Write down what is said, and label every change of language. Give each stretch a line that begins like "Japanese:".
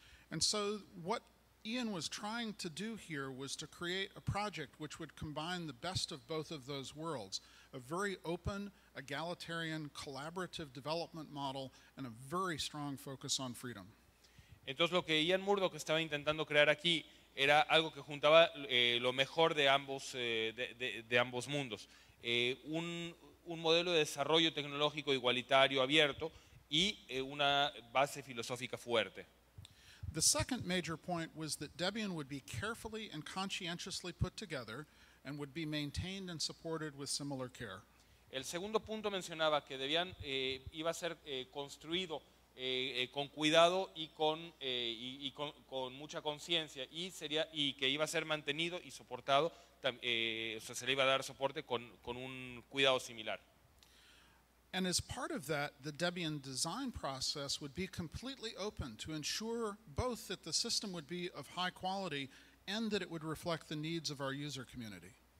English: And so what Ian was trying to do here was to create a project which would combine the best of both of those worlds, a very open, egalitarian, collaborative development model and a very strong focus on freedom.
Spanish: Entonces lo que Ian Murdoch estaba intentando crear aquí era algo que juntaba lo mejor de ambos mundos. Un modelo de desarrollo tecnológico igualitario, abierto y una base filosófica fuerte.
English: The second major point was that Debian would be carefully and conscientiously put together and would be maintained and supported with similar care.
Spanish: El segundo punto mencionaba que Debian iba a ser construido con cuidado y con mucha conciencia y que iba a ser mantenido y soportado, se le iba a dar soporte con un cuidado similar.
English: And as part of that, the Debian design process would be completely open to ensure both that the system would be of high quality and that it would reflect the needs of our user community.